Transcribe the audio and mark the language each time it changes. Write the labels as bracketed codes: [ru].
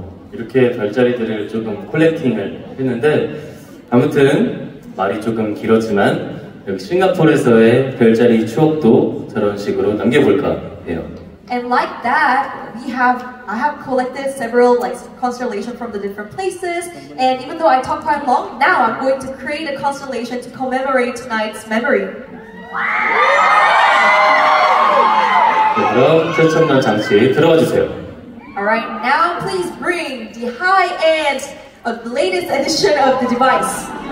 [ko] 이렇게 별자리들을 조금 콜렉팅을 했는데 아무튼 말이 조금 길었지만 여기 싱가포르에서의 별자리 추억도 저런 식으로 남겨볼까 해요. [en] And like that, I have collected several like constellations from the different places. And even though I talked quite long, now I'm going to create a constellation to commemorate tonight's memory. [ko] 그럼 최첨단 장치 들어와 주세요. [en] Alright, now please bring the high-end of the latest edition of the device.